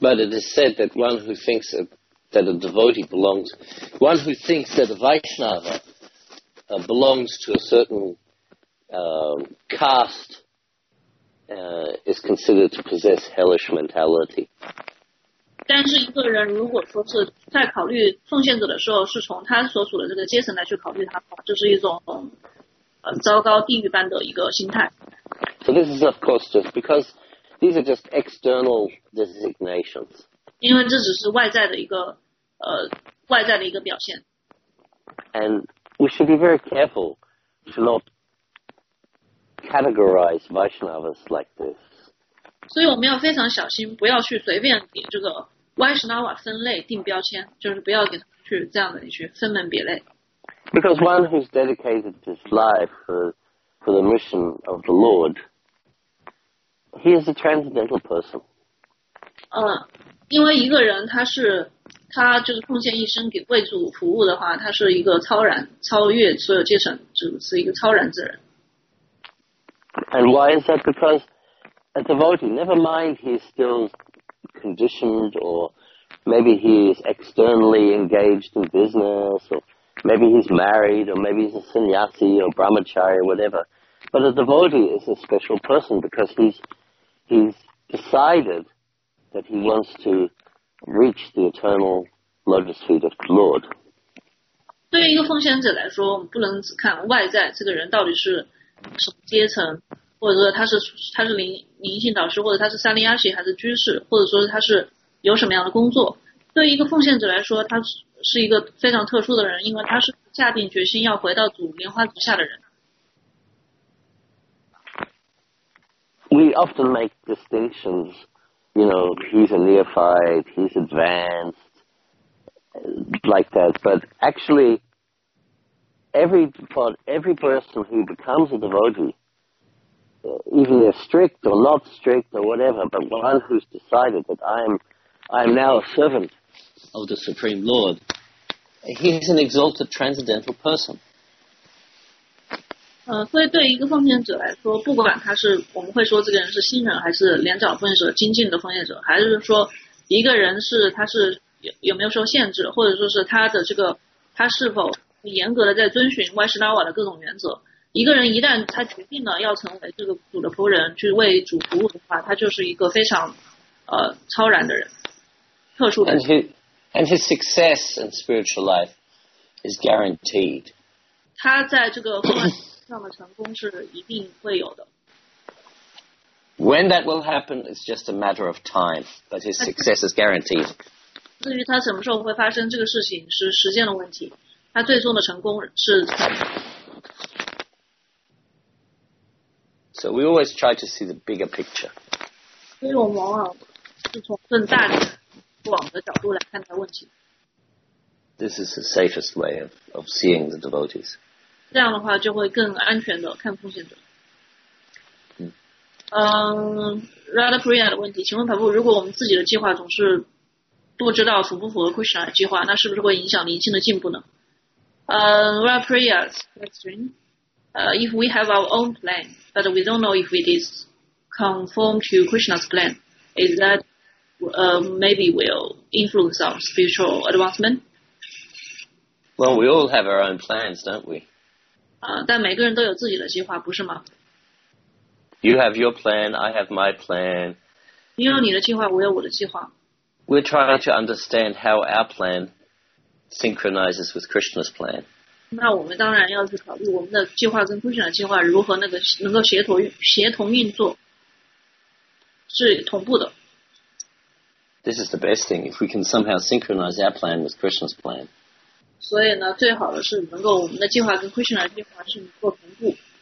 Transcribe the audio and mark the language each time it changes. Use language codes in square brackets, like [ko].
[en] But it is said that one who thinks that a devotee belongs, one who thinks that a Vaishnava belongs to a certain caste is considered to possess hellish mentality. [zh] 但是一个人如果说是在考虑奉献者的时候，是从他所处的这个阶层来去考虑他的话，就是一种糟糕地狱般的一个心态。 [en] So this is of course just because. These are just external designations. [zh] 因为这只是外在的一个外在的一个表现。 [en] And we should be very careful to not categorize Vaishnavas like this. [zh] 所以我们要非常小心，不要去随便给这个 Vaishnava 分类定标签，就是不要给他去这样的去分门别类。 [en] Because one who's dedicated his life for the mission of the Lord. He is a transcendental person. [zh] 因为一个人他就是奉献一生给贵族服务的话，他是一个超然，超越所有阶层，就是一个超然之人。 [en] And why is that? Because a devotee, never mind he's still conditioned, or maybe he is externally engaged in business, or maybe he's married, or maybe he's a sannyasi or brahmachari or whatever. But a devotee is a special person because he's decided that he wants to reach the eternal lotus feet of the Lord. [zh] 对于一个奉献者来说，我们不能只看外在这个人到底是什么阶层，或者说他是灵性导师，或者他是萨利亚西还是居士，或者说他是有什么样的工作。对于一个奉献者来说，他是一个非常特殊的人，因为他是下定决心要回到主莲花足下的人。 [en] We often make distinctions, you know, he's a neophyte, he's advanced, like that. But actually, every person who becomes a devotee, even if strict or not strict or whatever, but one who's decided that I'm now a servant of the Supreme Lord, he's an exalted transcendental person. [zh] 所以对于一个奉献者来说，不管他是我们会说这个人是新人，还是连长奉献者、精进的奉献者，还是说一个人是他是有没有受限制，或者说是他的这个他是否严格的在遵循歪师那瓦的各种原则，一个人一旦他决定了要成为这个主的仆人，去为主服务的话，他就是一个非常超然的人，特殊的人。 [en] And his success in spiritual life is guaranteed. [zh] 他在这个 [en] When that will happen is just a matter of time, but his success is guaranteed. [zh] 至于他什么时候会发生这个事情是时间的问题，他最终的成功是。 [en] So we always try to see the bigger picture. [zh] 所以我们往往是从更大的广的角度来看待问题。 [en] This is the safest way of seeing the devotees. [zh] 这样的话就会更安全的看奉献者。 Radha Priya 的问题，请问跑步，如果我们自己的计划总是不知道符不符合 Krishna 的计划，那是不是会影响灵性的进步呢？ [en] Radha Priya's question, if we have our own plan, but we don't know if it is conform to Krishna's plan, is that maybe will influence our spiritual advancement? Well, we all have our own plans, don't we? [zh] 但每个人都有自己的计划，不是吗？ [en] You have your plan, I have my plan. [zh] 你有你的计划，我有我的计划。 [en] We're trying to understand how our plan synchronizes with Krishna's plan. [zh] 那我们当然要去考虑我们的计划跟 Krishna 的计划如何那个能够协同运作，是同步的。 [en] This is the best thing, if we can somehow synchronize our plan with Krishna's plan. [zh] 所以呢，最好的是能够我们的计划跟 Krishna 的计划是能够同步。